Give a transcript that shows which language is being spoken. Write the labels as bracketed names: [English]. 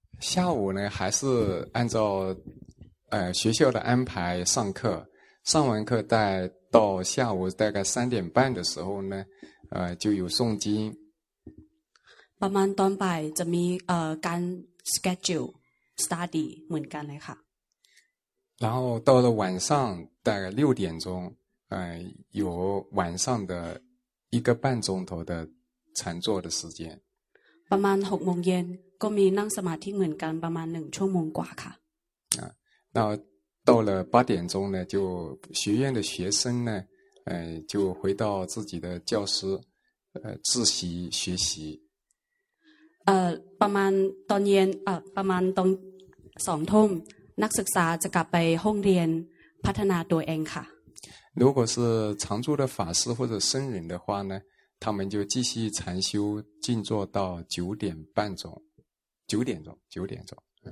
[Chinese] 下午呢还是按照学校的安排上课，上完课再到下午大概3点半的时候呢就有诵经 [Thai] ประมาณตอนบ่ายจะมีการ [English] schedule study [Thai] เหมือนกันเลยค่ะ [Chinese] 然后到了晚上大概6点钟有晚上的一个半钟头的禅坐的时间 [Thai] ประมาณ6 โมงเย็นก็มีนั่งสมาธิเหมือนกันประมาณ1 ชั่วโมงกว่าค่ะ [Chinese] 那到了8点钟呢就学院的学生呢就回到自己的教室自习学习 [Thai] ประมาณตอนเย็นประมาณตอน2 ทุ่มนักศึกษาจะกลับไปห้องเรียนพัฒนาตัวเองค่ะ [Chinese] 如果是常住的法师或者僧人的话呢他们就继续禅修静坐到9点半钟，9点钟，9点钟。